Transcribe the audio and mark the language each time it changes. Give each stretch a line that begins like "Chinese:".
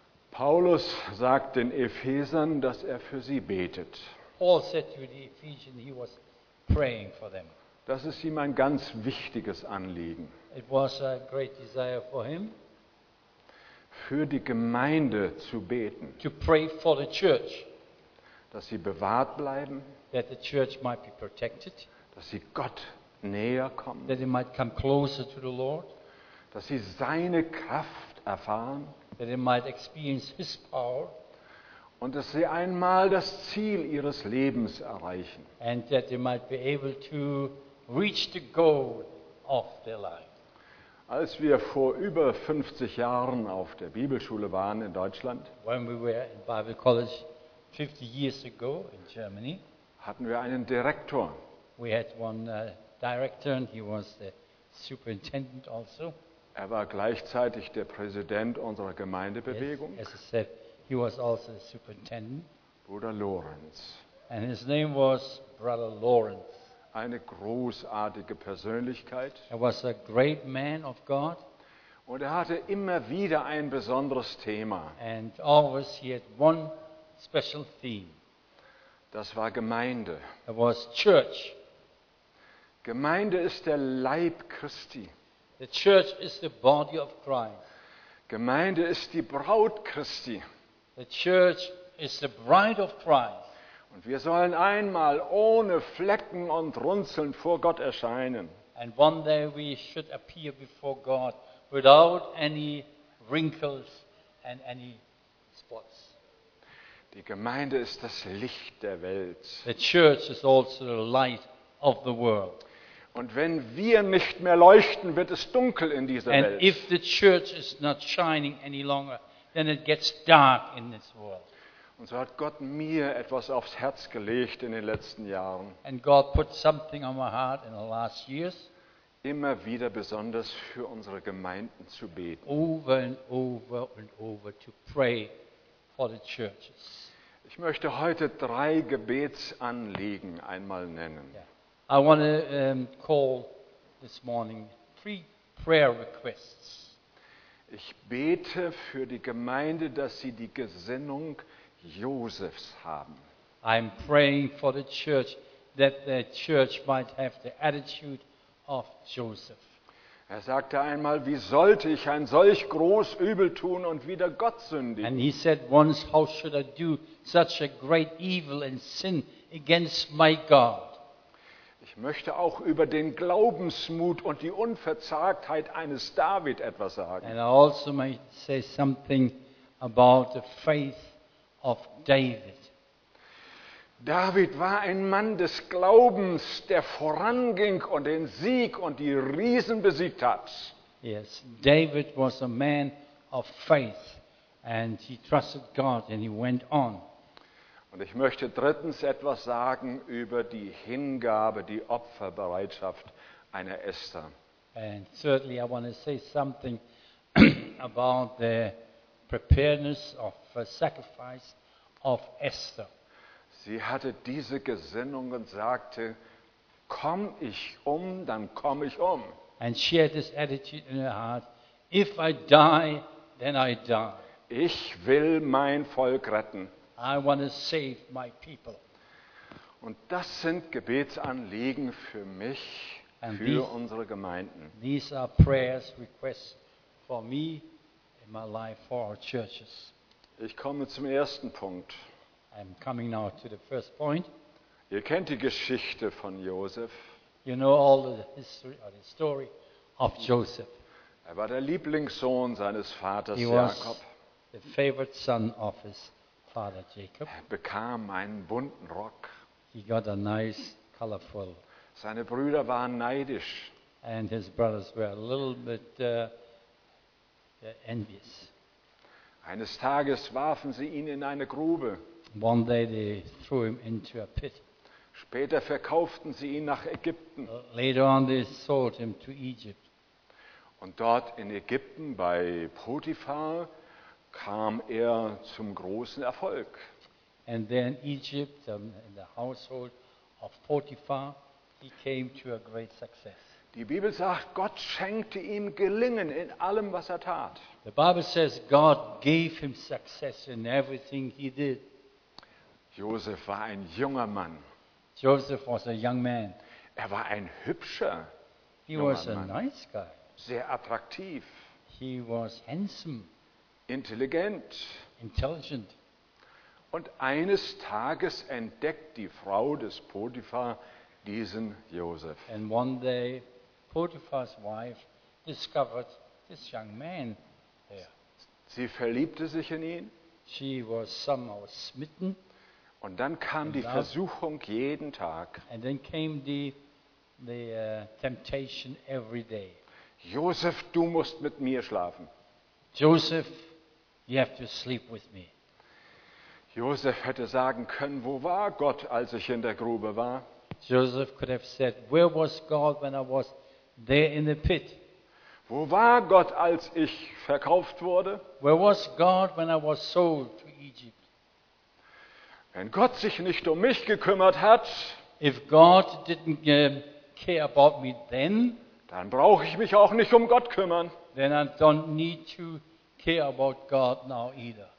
German: Paulus sagt den Ephesern, dass für sie betet.
English: Paul said to the Ephesians he was praying for them.
German: Das ist ihm ein ganz wichtiges Anliegen.
English: It was a great desire for him.
German: Für die Gemeinde zu beten.
English: To pray for the church.
German: Dass sie bewahrt bleiben.
English: That the church might be protected.
German: Dass sie Gott näher kommen.
English: That they might come closer to the Lord.
German: Dass sie seine Kraft erfahren.
English: That they might experience his power.
German: Und dass sie einmal das Ziel ihres Lebens erreichen.
English: And that they might be able to reach the goal of their life.
German: Als wir vor über 50 Jahren auf der Bibelschule waren in Deutschland,
English: when we were in Bible College 50 years ago in Germany,
German: hatten wir einen Direktor.
English: We had one director and he was the superintendent also.
German: Er war gleichzeitig der Präsident unserer Gemeindebewegung.
English: Yes, as I said, he was also the superintendent.
German: Bruder Lorenz.
English: And his name was Brother Lorenz.
German: Eine großartige Persönlichkeit.
English: He was a great man of God.
German: Und hatte immer wieder ein besonderes Thema.
English: And always he had one special theme.
German: Das war Gemeinde.
English: It was church.
German: Gemeinde ist der Leib Christi.
English: The church is the body of Christ.
German: Gemeinde ist die Braut Christi.
English: The church is the bride of Christ.
German: Und wir sollen einmal ohne Flecken und Runzeln vor Gott erscheinen.
English: And one day we should appear before God without any wrinkles and any spots.
German: Die Gemeinde ist das Licht der Welt.
English: The church is also the light of the world.
German: Und wenn wir nicht mehr leuchten, wird es dunkel in dieser
English: and
German: Welt.
English: And if the church is not shining any longer, then it gets dark in this world.
German: Und so hat Gott mir etwas aufs Herz gelegt in den letzten Jahren.
English: And God put something on my heart in the last years.
German: Immer wieder besonders für unsere Gemeinden zu beten.
English: Over and over and over to pray for the churches.
German: Ich möchte heute drei Gebetsanliegen einmal nennen.
English: Yeah. I want to call this morning three prayer requests.
German: Ich bete für die Gemeinde, dass sie die Gesinnung Josefs haben.
English: I'm praying for the church that the church might have the attitude of Joseph.
German: Er sagte einmal, wie sollte ich ein solch groß Übel tun und wieder Gott sündigen?
English: And he said once, how should I do such a great evil and sin against my God?
German: Ich möchte auch über den Glaubensmut und die Unverzagtheit eines David etwas sagen.
English: And I also might say something about the faith of David.
German: David war ein Mann des Glaubens, der voranging und den Sieg und die Riesen besiegt hat.
English: Yes, David was a man of faith and he trusted God and he went on.
German: Und ich möchte drittens etwas sagen über die Hingabe, die Opferbereitschaft einer Esther.
English: And thirdly, I want to say something about the preparedness of a sacrifice of Esther.
German: Sie hatte diese Gesinnung und sagte, komm ich um, dann komme ich um.
English: And she had this attitude in her heart, if I die, then I die.
German: Ich will mein Volk retten.
English: I want to save my people.
German: Und das sind Gebetsanliegen für mich, and für unsere Gemeinden.
English: These are prayers, requests for me in my life, for our churches.
German: Ich komme zum ersten Punkt.
English: I'm coming now to the first point.
German: Ihr kennt die Geschichte von Josef.
English: You know all the history or the story of Joseph.
German: Er war der Lieblingssohn seines Vaters Jakob.
English: He was the favorite son of his father Jacob.
German: Er bekam einen bunten Rock.
English: He got a nice colorful.
German: Seine Brüder waren neidisch.
English: And his brothers were a little bit envious.
German: Eines Tages warfen sie ihn in eine Grube.
English: One day they threw him into a pit.
German: Später verkauften sie ihn nach Ägypten.
English: Later on they sold him to Egypt.
German: Und dort in Ägypten bei Potiphar kam er zum großen Erfolg.
English: And then Egypt, in the household of Potiphar, he came to a great success.
German: Die Bibel sagt, Gott schenkte ihm Gelingen in allem, was er tat.
English: The Bible says God gave him success in everything he did.
German: Josef war ein junger Mann.
English: Joseph was a young man.
German: Er war ein hübscher
English: He was a
German: Mann.
English: Nice guy.
German: Sehr attraktiv.
English: He was handsome.
German: Intelligent.
English: Intelligent.
German: Und eines Tages entdeckt die Frau des Potiphar diesen Josef.
English: And one day Potiphar's wife discovered this young man there.
German: Sie verliebte sich in ihn.
English: She was somehow smitten.
German: Und dann kam die Versuchung jeden Tag.
English: And then came the temptation every day.
German: Josef, du musst mit mir schlafen.
English: Joseph, you have to sleep with me.
German: Josef hätte sagen können, wo war Gott, als ich in der Grube war?
English: Joseph could have said, where was God when I was there in the pit?
German: Wo war Gott, als ich verkauft wurde?
English: Where was God when I was sold to Egypt?
German: Wenn Gott sich nicht um mich gekümmert hat,
English: if God didn't care about me then,
German: dann brauche ich mich auch nicht um Gott kümmern.
English: Then I don't need to care about God now either.